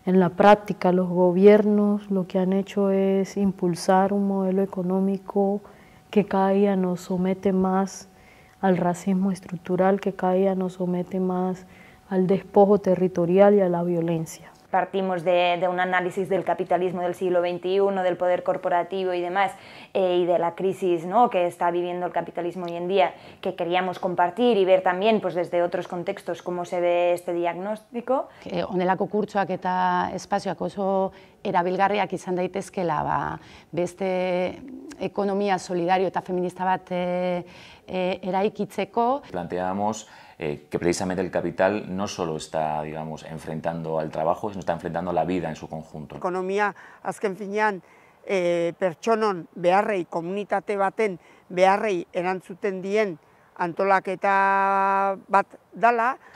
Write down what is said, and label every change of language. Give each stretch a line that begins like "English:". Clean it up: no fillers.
Spanish: En la práctica, los gobiernos lo que han hecho es impulsar un modelo económico que cada día nos somete más al racismo estructural, que cada día nos somete más al despojo territorial y a la violencia. Partimos de un análisis del capitalismo del siglo XXI, del poder corporativo y demás, y de la crisis, ¿no?, que está viviendo el capitalismo hoy en día, que queríamos compartir y ver también, pues, desde otros contextos cómo se ve este diagnóstico.
Basque: Honelako kurtsoak eta espazioak oso erabilgarriak izan daitezkela, ba, beste ekonomia solidario eta feminista bat eraikitzeko.
Spanish: Planteamos que precisamente el capital no solo está, digamos, enfrentando al trabajo, sino está enfrentando la vida en su conjunto.
Basque: Ekonomia azken finean pertsonon beharrei, komunitate baten beharrei erantzuten dien antolaketa bat dala.